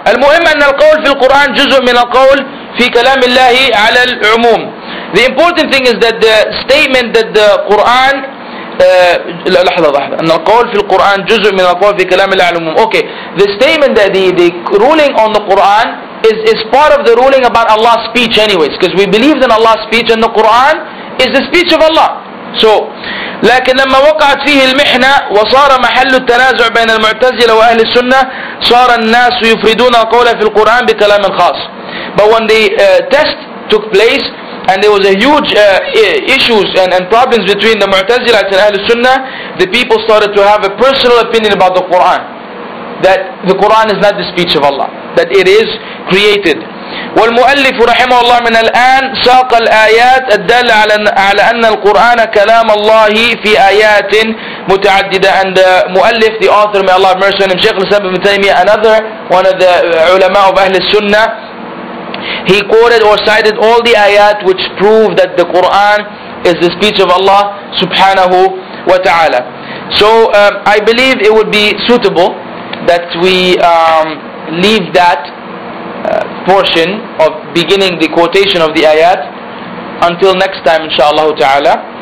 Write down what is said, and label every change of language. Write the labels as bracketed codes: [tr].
[ar] المهم أن القول في القرآن جزء من القول في كلام الله على العموم. [en] The important thing is that the statement that the Quran [ar] لحظة أن القول في القرآن جزء من القول في كلام الله على العموم. [en] Okay. The statement that the ruling on the Quran is part of the ruling about Allah's speech anyways, because we believe in Allah's speech and the Quran is the speech of Allah. [ar] So, لكن لما وقعت فيه المحنة وصار محل التنازع بين المعتزلة وأهل السنة صار الناس يفردون القول في القرآن بكلام خاص. [en] But when the test took place and there was a huge issues and problems between the معتزلة and أهل السنة, the people started to have a personal opinion about the Quran, that the Quran is not the speech of Allah, that it is created. [ar] والمؤلف رحمه الله من الآن ساق الآيات الدالة على أن القرآن كلام الله في آيات متعددة. [en] And the مؤلف, the author, may Allah mercy on him, Shaykh al-Islam ibn Taymiyyah, another one of the ulama of Ahl al-Sunnah, he quoted or cited all the آيات which prove that the Quran is the speech of Allah سبحانه وتعالى. So I believe it would be suitable that we leave that portion of beginning the quotation of the ayat until next time, inshallah ta'ala.